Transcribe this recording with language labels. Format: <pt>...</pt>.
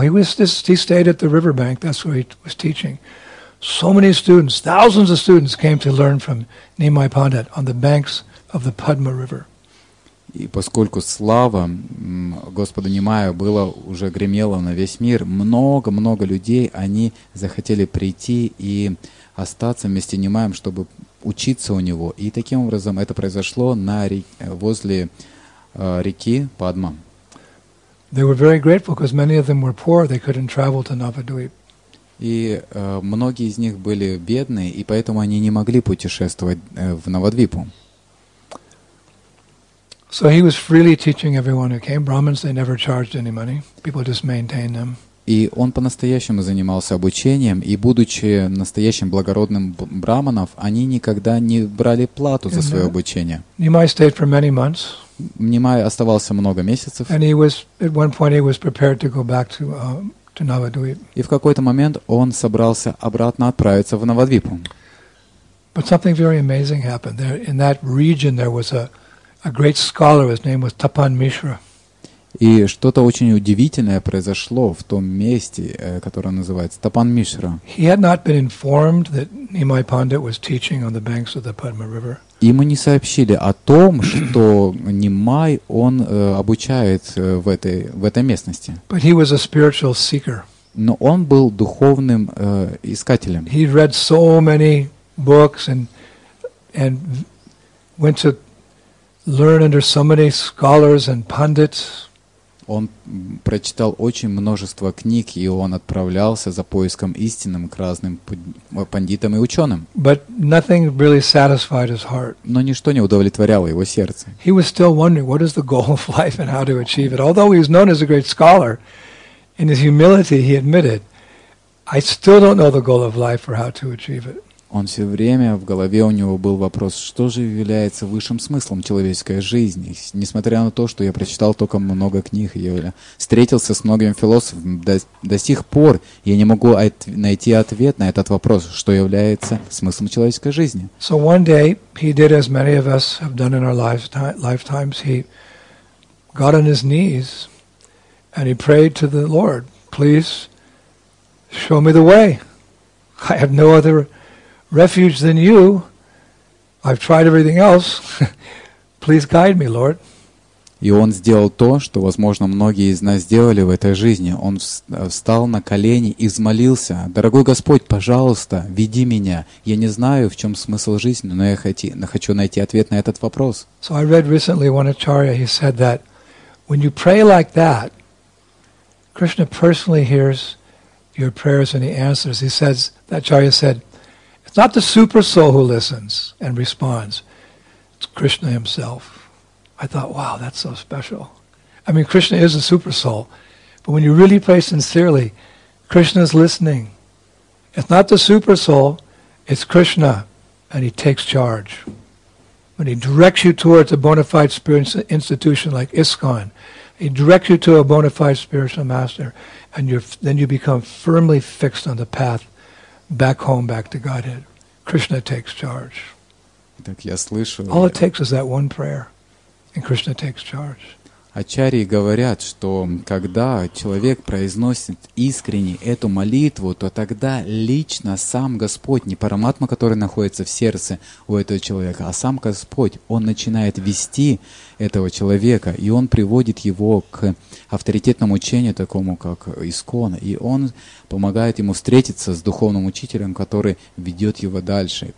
<en>He stayed at the riverbank, that's where he was teaching. So many students, thousands of students came to learn from Nimai Pandit on the banks of the Padma River.</en> <ru>И поскольку слава Господа Нимая была уже гремела на весь мир, много-много людей, они захотели прийти и остаться вместе с Нимаем, чтобы учиться у него. И таким образом это произошло на возле реки Падма.</ru> <en>They were very grateful, because many of them were poor, they couldn't travel to Navadvip.</en> <ru>И многие из них были бедные, и поэтому они не могли путешествовать в Навадвипу.</ru> <en>So he was freely teaching everyone who came. Brahmins, they never charged any money. People just maintained them.</en> <ru>И он по-настоящему занимался обучением, и будучи настоящим благородным брахманом, они никогда не брали плату за свое обучение.</ru> <en>Nimai stayed for many months.</en> <ru>Nimai оставался много месяцев.</ru> <en>And he was at one point he was prepared to go back to Navadvip.</en> <ru>И в какой-то момент он собрался обратно отправиться в Навадвипу.</ru> <en>But something very amazing happened there. In that region there was a great scholar, his name was Tapan Mishra.</en> <ru>И что-то очень удивительное произошло в том месте, которое называется Tapan Mishra.</ru> <en>He had not been informed that Nimai Pandit was teaching on the banks of the Padma River.</en> <ru>Ему не сообщили о том, что Нимай, он обучает в этой местности.</ru> <en>But he was a spiritual seeker.</en> <ru>Но он был духовным искателем.</ru> <en>He read so many books and went to learn under so many scholars and pundits.</en> <ru>Он прочитал очень множество книг, и он отправлялся за поиском истинным к разным пандитам и ученым.</ru> <en>But nothing really satisfied his heart.</en> <ru>Но ничто не удовлетворяло его сердце.</ru> <en>He was still wondering what is the goal of life and how to achieve it. Although he was known as a great scholar, in his humility he admitted, I still don't know the goal of life or how to achieve it.</en> <ru>Он все время в голове у него был вопрос, что же является высшим смыслом человеческой жизни. Несмотря на то, что я прочитал только много книг, я встретился с многими философами, до сих пор я не могу найти ответ на этот вопрос, что является смыслом человеческой жизни.</ru> <en>So one day, he did as many of us have done in our lifetimes, he got on his knees and he prayed to the Lord, please show me the way. I have no other refuge than you. I've tried everything else. Please guide me, Lord.</en> <ru>И он сделал то, что, возможно, многие из нас сделали в этой жизни. Он встал на колени и взмолился: «Дорогой Господь, пожалуйста, веди меня. Я не знаю, в чем смысл жизни, но я хочу найти ответ на этот вопрос».</ru> <en>So I read recently one acharya. He said that when you pray like that, Krishna personally hears your prayers and he answers. He says that acharya said, it's not the super soul who listens and responds. It's Krishna himself. I thought, wow, that's so special. I mean, Krishna is a super soul. But when you really pray sincerely, Krishna's listening. It's not the super soul, it's Krishna. And he takes charge. When he directs you towards a bona fide spiritual institution like ISKCON, he directs you to a bona fide spiritual master, and then you become firmly fixed on the path back home, back to Godhead. Krishna takes charge.</en> <ru>Так я слышу.</ru> <en>All it takes is that one prayer, and Krishna takes charge.</en> <ru>Ачарьи говорят, что когда человек произносит искренне эту молитву, то тогда лично сам Господь, не параматма, который находится в сердце у этого человека, а сам Господь, он начинает вести этого человека, и он приводит его к авторитетному учению, такому как ИСККОН, и он помогает ему встретиться с духовным учителем, который ведет его дальше.</ru>